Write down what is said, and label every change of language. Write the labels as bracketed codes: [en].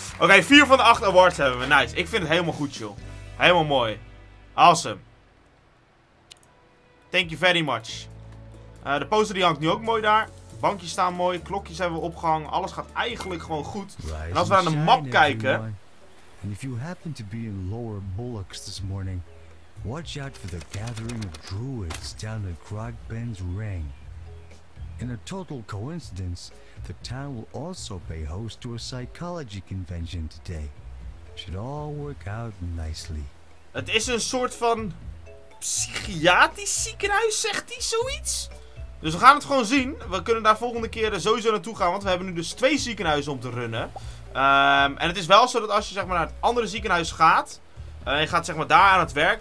[nl] Oké, 4 van de 8 awards hebben we. Nice. Ik vind het helemaal goed, joh. Helemaal mooi. Awesome. [en] Thank you very much. [nl] De poster die hangt nu ook mooi daar. Bankjes staan mooi, klokjes hebben we opgehangen. Alles gaat eigenlijk gewoon goed. En als we naar de map kijken. [en] And if you happen to be in Lower Bullocks this morning, watch out for the gathering of druids down at Grogben's Ring. In a total coincidence, the town will also pay host to a psychology convention today. Should all work out nicely. [nl] Het is een soort van psychiatrisch ziekenhuis, zegt hij zoiets? Dus we gaan het gewoon zien. We kunnen daar volgende keer sowieso naartoe gaan. Want we hebben nu dus 2 ziekenhuizen om te runnen. En het is wel zo dat als je zeg maar naar het andere ziekenhuis gaat. En je gaat zeg maar daar aan het werk.